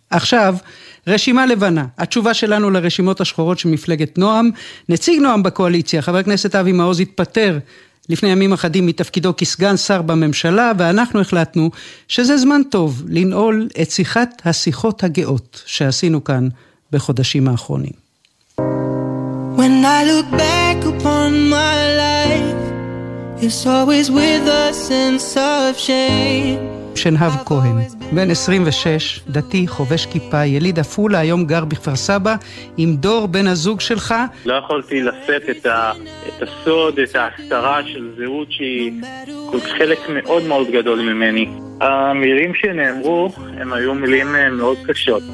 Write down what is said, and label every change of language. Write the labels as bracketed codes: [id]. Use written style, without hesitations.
[he] עכשיו, רשימה לבנה, התשובה שלנו לרשימות השחורות של מפלגת נועם. נציג נועם בקואליציה, חבר הכנסת אבי מעוז, התפטר לפני ימים אחדים מתפקידו כסגן שר בממשלה, ואנחנו החלטנו שזה זמן טוב לנעול את שיחת השיחות הגאות שעשינו כאן בחודשים האחרונים. [en] When I look back upon my life, it's always with a sense of shame. [he] שנהב כהן, בן 26, דתי, חובש כיפה, יליד אפולה, היום גר בכפר סבא, עם דור בן הזוג שלך. לא יכולתי לשאת את הסוד, את ההסתרה של זהות שהיא חלק מאוד מאוד גדול ממני. המילים שנאמרו הם היו מילים מאוד קשות.